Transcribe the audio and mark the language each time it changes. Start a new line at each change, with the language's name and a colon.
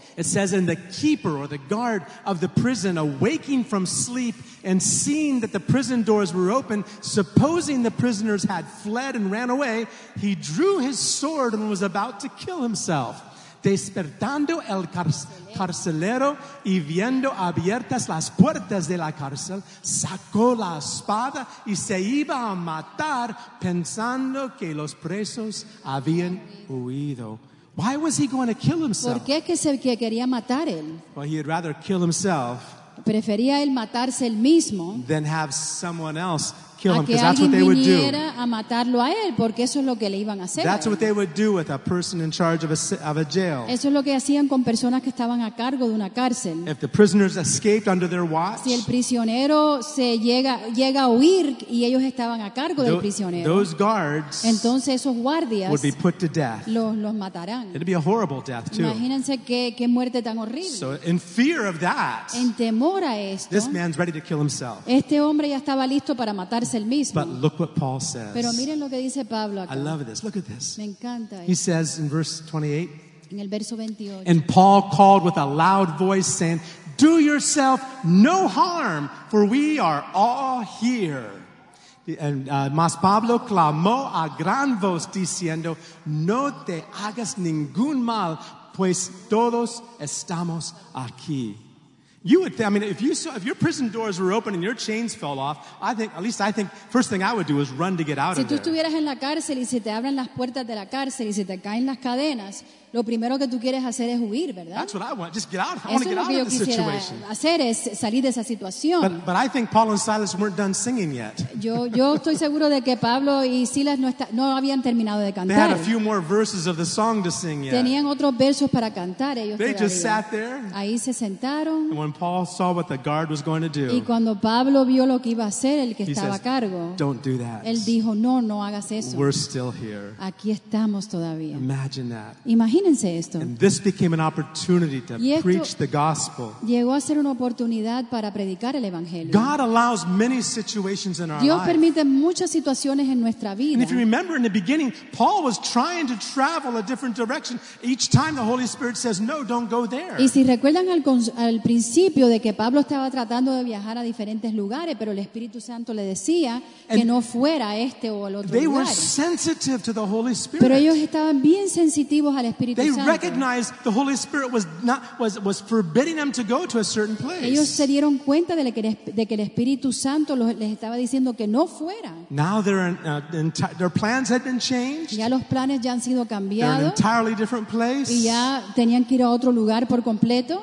English: It says, and the keeper or the guard of the prison, awaking from sleep and seeing that the prison doors were open, supposing the prisoners had fled and ran away, he drew his sword and was about to kill himself.
Spanish: Despertando el carcelero y viendo abiertas las puertas de la cárcel, sacó la espada y se iba a matar, pensando que los presos habían huido.
English: Why was he going to kill himself?
Spanish: ¿Por qué que se quería matar él?
English: Well, he'd rather kill himself.
Spanish: Prefería él matarse él mismo.
English: Than have someone else kill him, because that's what they would do.
Spanish: A que alguien viniera a matarlo a él, porque eso es lo que le iban a hacer.
English: That's what they would do with a person in charge of a jail.
Spanish: Eso es lo que hacían con personas que estaban a cargo de una cárcel.
English: If the prisoners escaped under their watch.
Spanish: Si el prisionero se llega a huir y ellos estaban a cargo del prisionero.
English: Those guards.
Spanish: Entonces esos guardias.
English: Would be put to death.
Spanish: Los matarán.
English: It'd be a horrible death too.
Spanish: Imagínense qué muerte tan horrible.
English: So in fear of that.
Spanish: En temor a esto.
English: This man's ready to kill himself.
Spanish: Este hombre ya estaba listo para matar.
English: But look what Paul says.
Spanish: Pero miren lo que dice Pablo acá.
English: I love this. Look at this.
Spanish: Me encanta esto.
English: He says in verse 28,
Spanish: en el verso 28.
English: And Paul called with a loud voice saying, do yourself no harm, for we are all here. And
Spanish: mas Pablo clamó a gran voz diciendo, no te hagas ningún mal, pues todos estamos aquí.
English: You would think, I mean, if your prison doors were open and your chains fell off, I think first thing I would do is run to get out
Spanish: si Si tú estuvieras en la cárcel y se te abren las puertas de la cárcel y se te caen las cadenas, lo primero que tú quieres hacer es huir, ¿verdad?
English: That's what I want. Just get out. I want to get out of the situation.
Spanish: Eso es lo que yo quisiera hacer, es salir de esa situación.
English: But I think Paul and Silas weren't done singing yet.
Spanish: Yo estoy seguro de que Pablo y Silas no habían terminado de cantar.
English: They had a few more verses of the song to sing yet.
Spanish: Tenían otros versos para cantar ellos
English: They
Spanish: todavía.
English: Just sat there.
Spanish: Ahí se sentaron.
English: And when Paul saw what the guard was going to do.
Spanish: Y cuando Pablo vio lo que iba a hacer el que estaba
English: says,
Spanish: a cargo.
English: Don't do that.
Spanish: Él dijo, no, no hagas eso.
English: We're still here.
Spanish: Aquí estamos todavía.
English: Imagine that.
Spanish: Imagínense esto.
English: And this became an opportunity to preach the gospel.
Spanish: Llegó a ser una oportunidad para predicar el evangelio.
English: God allows many situations in our
Spanish: Dios
English: life.
Spanish: Permite muchas situaciones en nuestra vida.
English: And if you remember in the beginning, Paul was trying to travel a different direction. Each time the Holy Spirit says, no, don't go there.
Spanish: Y si recuerdan al principio de que Pablo estaba tratando de viajar a diferentes lugares, pero el Espíritu Santo le decía
English: and
Spanish: que no fuera a este o al otro
English: they
Spanish: lugar.
English: Were sensitive to the Holy Spirit.
Spanish: Pero ellos estaban bien sensitivos al Espíritu Espíritu
English: they
Spanish: Santo.
English: They recognized the Holy Spirit was forbidding them to go to a certain place.
Spanish: Ellos se dieron cuenta de que el Espíritu Santo les estaba diciendo que no fueran.
English: Now their plans had been changed.
Spanish: Ya los planes ya han sido cambiados.
English: They're in an entirely different place.
Spanish: Y ya tenían que ir a otro lugar por completo.